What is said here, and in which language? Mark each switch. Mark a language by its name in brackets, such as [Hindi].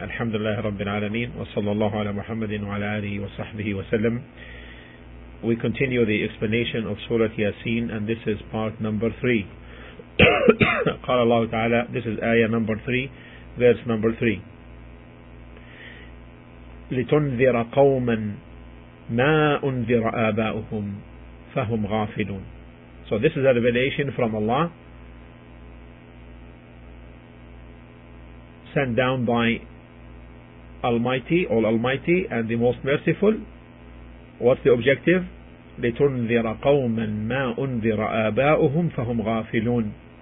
[Arabic] الحمد لله رب العالمين وصلى الله على محمد وعلى آله وصحبه وسلم. [English] We continue the explanation of Surah Yasin, and this is part number 3. [Arabic] قال الله تعالى, [English] this is ayah number 3, verse number 3. [Arabic] لتنذر قوما ما أنذر آباؤهم فهم غافلون. [English] So this is a revelation from Allah sent down by Almighty, All Almighty and the Most Merciful. What's the objective? [Arabic] لِتُنذِرَ قَوْمًا مَا أُنذِرَ آبَاؤُهُمْ فَهُمْ غَافِلُونَ.